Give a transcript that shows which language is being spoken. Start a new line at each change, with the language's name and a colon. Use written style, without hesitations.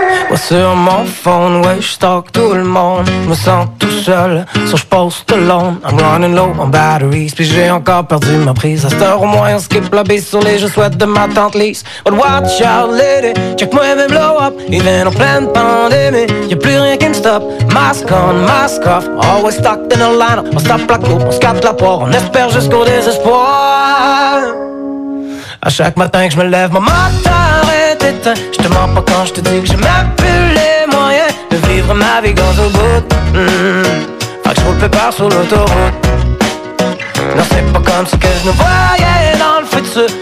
French: Moi sur mon phone, ouais, j'stalk tout le monde. Me sens tout seul, sauf j'poste alone.
English: I'm running low on batteries,
French: puis j'ai encore perdu ma prise. À cette heure au moins, on skip la bise sur les je souhaite de ma tante Lise.
English: But watch out, lady, check
French: moi même
English: blow up.
French: Even en pleine pandémie, y'a plus rien qui me stop.
English: Mask on, mask off, always stuck in a line.
French: On stop la coupe, on scatte la poire, on espère jusqu'au désespoir. À chaque matin que j'me lève, mon matin. Je te mens pas quand je te dis que j'ai même plus les moyens de vivre ma vie dans le bout. Faut que je roule pépère sur l'autoroute. Non, c'est pas comme ce que je ne voyais dans le futur.